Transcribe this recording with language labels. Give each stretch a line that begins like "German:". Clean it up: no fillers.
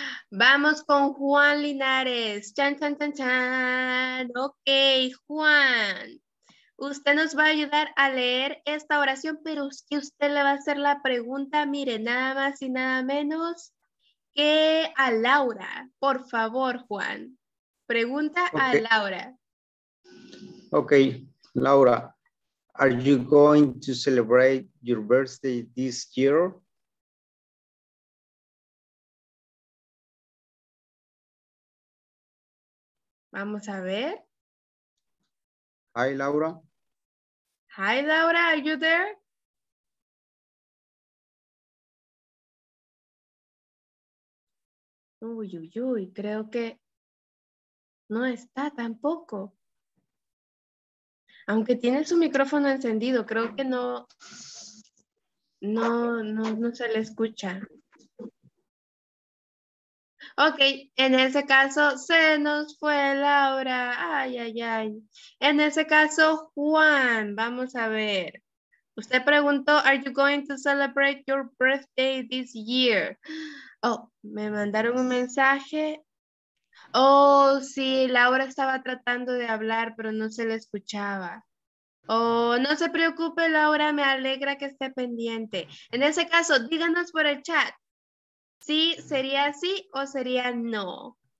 Spanish: Vamos con Juan Linares. Chan, chan, chan, chan. Ok, Juan. Usted nos va a ayudar a leer esta oración, pero es que usted le va a hacer la pregunta, mire, nada más y nada menos que a Laura. Por favor, Juan. Pregunta okay. A Laura.
English: Ok, Laura, are you going to celebrate your birthday this year?
Spanish: Vamos a ver.
English: Hi, Laura. Hi, Laura, are you there?
Spanish: Uy, uy, uy, creo que no está tampoco. Aunque tiene su micrófono encendido, creo que no se le escucha. Ok, en ese caso se nos fue Laura. Ay, ay, ay. En ese caso, Juan, vamos a ver. Usted preguntó,
English: are you going to celebrate your birthday this year?
Spanish: Oh, me mandaron un mensaje. Oh, sí, Laura estaba tratando de hablar, pero no se le escuchaba. Oh, no se preocupe, Laura, me alegra que esté pendiente. En ese caso, díganos por el chat. ¿Sí sería sí o sería no?